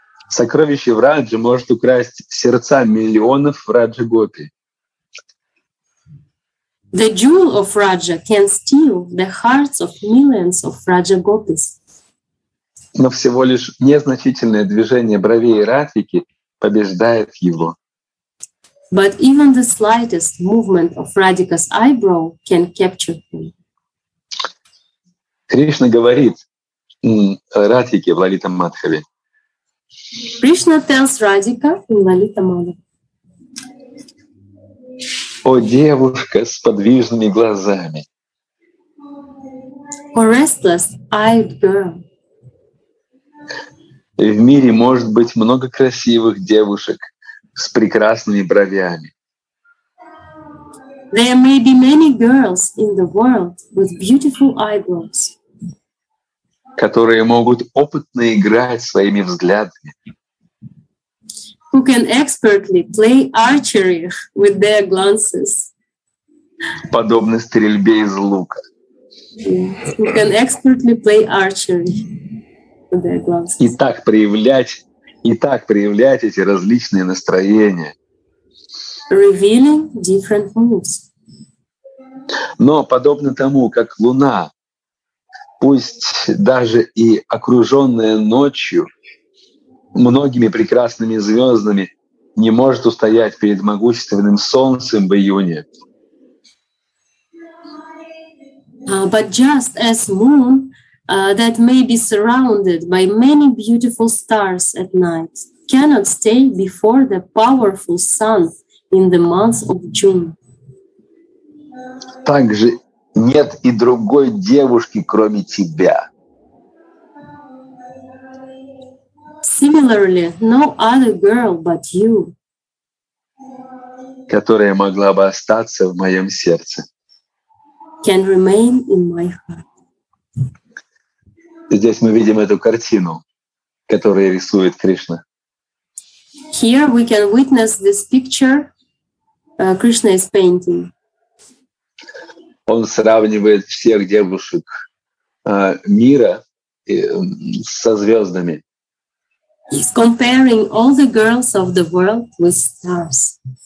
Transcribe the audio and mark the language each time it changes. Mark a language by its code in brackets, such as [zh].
[ru] Сокровище Враджа может украсть сердца миллионов Враджа-гопи. [en] The jewel of Raja can steal the hearts of millions of Raja-gopis. [ru] Но всего лишь незначительное движение бровей Радхики побеждает его. [en] But even the slightest movement of Radhika's eyebrow can capture him. [ru] Кришна говорит Радхике в Лалита Мадхаве. [en] Кришна tells Radhika in Lalita Madhava. [ru] О, девушка с подвижными глазами. [en] O restless-eyed girl. [ru] В мире может быть много красивых девушек с прекрасными бровями. [en] There may be many girls in the world with beautiful eyebrows. [ru] Которые могут опытно играть своими взглядами. [en] Who can expertly play archery with their glances. [ru] Подобно стрельбе из лука. [en] Who can expertly play archery with their glances. [ru] И так проявлять эти различные настроения. [en] Revealing different moods. [ru] Но подобно тому, как луна, пусть даже и окружённая ночью, многими прекрасными звёздами, не может устоять перед могущественным солнцем в июне. [en] But just as moon that may be surrounded by many beautiful stars at night cannot stay before the powerful sun in the month of June. [ru] Также нет и другой девушки, кроме тебя. [en] Similarly, no other girl but you, [ru] которая могла бы остаться в моем сердце, [en] can remain in my heart. [ru] Здесь мы видим эту картину, которую рисует Кришна. [en] Here we can witness this picture Krishna is painting. [ru] Он сравнивает всех девушек мира со звездами. [en] He's comparing all the girls of the world with stars.